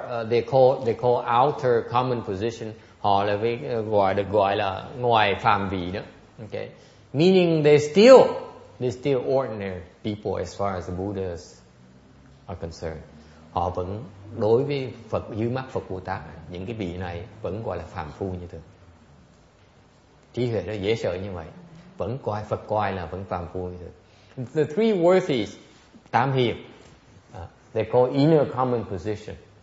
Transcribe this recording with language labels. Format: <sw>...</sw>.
<en>They call outer common position.</en> <vi>Họ là gọi là ngoài phạm vị đó, okay.</vi> <en>Meaning they're still ordinary people as far as the Buddhas are concerned.</en> <vi>Họ vẫn đối với Phật, dưới mắt Phật Bồ Tát, những cái vị này vẫn gọi là phàm phu như thường. Trí huệ nó dễ sợ như vậy, vẫn coi Phật coi là vẫn phàm phu như thường.</vi> <en>The three worthies,</en> <vi>tám hiền,</vi> <en>they call inner common position.</en>